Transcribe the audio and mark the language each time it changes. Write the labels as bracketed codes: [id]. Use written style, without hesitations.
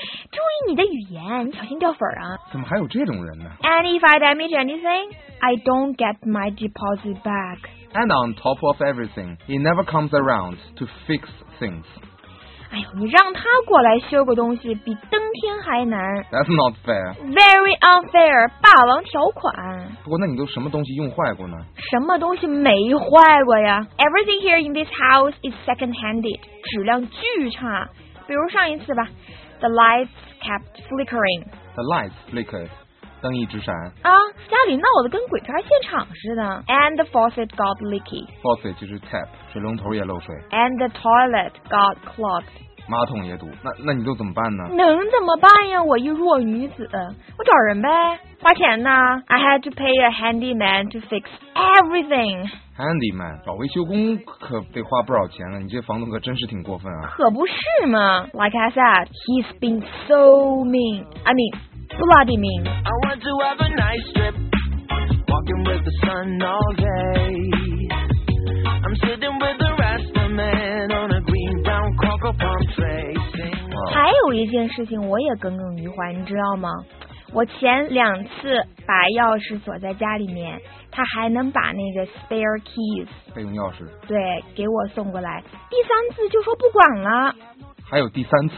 [zh] 注意你的语言，小心掉粉啊。怎么还有这种人呢 [en] ？And if I damage anything, I don't get my deposit back. And on top of everything, he never comes around to fix things. [zh] 哎呦，你让他过来修个东西比登天还难。 [en] That's not fair. Very unfair. [zh] 霸王条款。不过那你都什么东西用坏过呢？什么东西没坏过呀？ [en] Everything here in this house is second-handed. [zh] 质量巨差。比如上一次吧， [en] The lights kept flickering. The lights flickered. [zh] 灯一直闪啊，家里闹得跟鬼片现场似的。 [en] And the faucet got leaky. [zh] Faucet 就是 tap， 水龙头也漏水。 [en] And the toilet got clogged. [zh] 马桶也堵。那你都怎么办呢？能怎么办呀，我一弱女子，我找人呗，花钱呢。 [en] I had to pay a handyman to fix everything. [zh] Handyman 找维修工可得花不少钱了，你这房东可真是挺过分啊。可不是嘛。 [en] Like I said, he's been so mean. I meanBloody mean. I want to have a nice trip. Walking with the sun all day. I'm sitting with the rest of the men on a green brown cocoa palm tray. [zh] 还有一件事情我也耿耿于怀，你知道吗？我前两次把钥匙锁在家里面，他还能把那个 spare keys 备用钥匙对给我送过来，第三次就说不管了。还有第三次，